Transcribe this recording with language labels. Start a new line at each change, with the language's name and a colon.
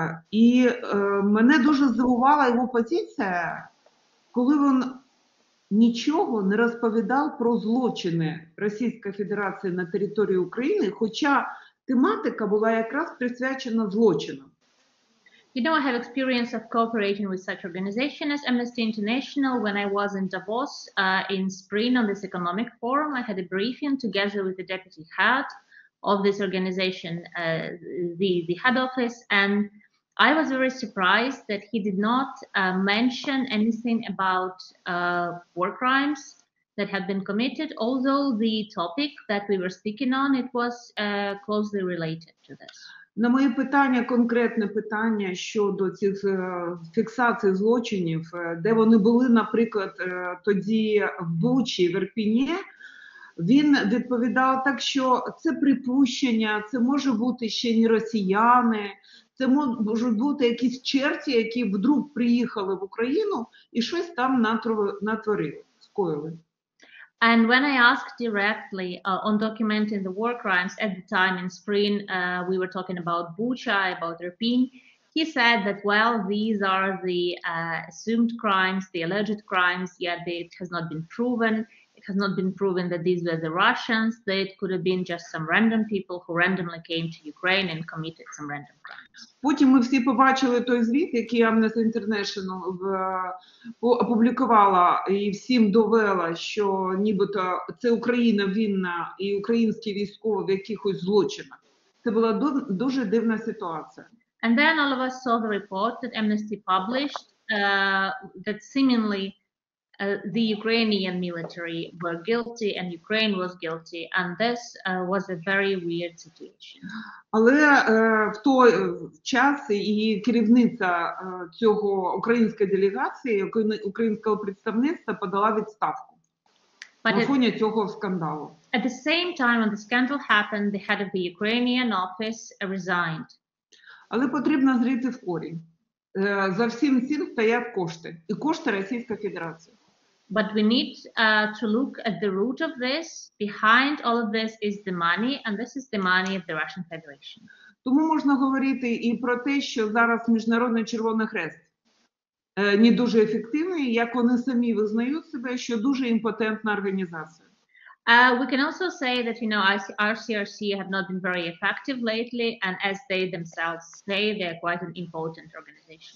Ukrainian: і мене дуже здивувала його позиція, коли він нічого не розповідав про злочини Російської Федерації на території України, хоча тематика була якраз присвячена злочинам.
English: You know, I have experience of cooperating with such organization as Amnesty International. When I was in Davos in spring on this economic forum, I had a briefing together with the deputy head of this organization, the head office, and I was very surprised that he did not mention anything about war crimes that had been committed, although the topic that we were speaking on, it was closely related to this.
Ukrainian: На моє питання, конкретне питання щодо цих фіксацій злочинів, де вони були, наприклад, тоді в Бучі, в Ірпіні, він відповідав так, що це припущення, це може бути ще не росіяни, це можуть бути якісь черті, які вдруг приїхали в Україну і щось там натворили, скоїли.
English: And when I asked directly on documenting the war crimes at the time in spring, we were talking about Bucha, about Irpin, he said that, well, these are the assumed crimes, the alleged crimes, yet it has not been proven. It has not been proven that these were the Russians, that it could have been just some random people who randomly came to Ukraine and committed some random crimes.
Ukrainian: Потім ми всі побачили той звіт, який Amnesty International опублікувала і всім довела, що нібито це Україна винна і українські військові в якихось злочинах. Це була дуже дивна ситуація.
English: And then all of us saw the report that Amnesty published that seemingly the Ukrainian military were guilty and Ukraine was guilty, and this was a very weird situation.
Ukrainian: Але в той час і керівниця цього української делегації, українського представництва подала відставку на фоні цього скандалу.
English: At the same time when the scandal happened, the head of the Ukrainian office resigned.
Ukrainian: Але потрібно зрити в корінь. За всім цим стоять кошти, і кошти Російської Федерації.
English: But we need to look at the root of this. Behind all of this is the money, and this is the money of the Russian Federation.
Ukrainian: Тому можна говорити і про те, що зараз Міжнародний Червоний Хрест не дуже ефективний, як вони самі визнають себе, що дуже імпотентна організація.
English: We can also say that, you know, RCRC have not been very effective lately, and as they themselves say, they are quite an important organization.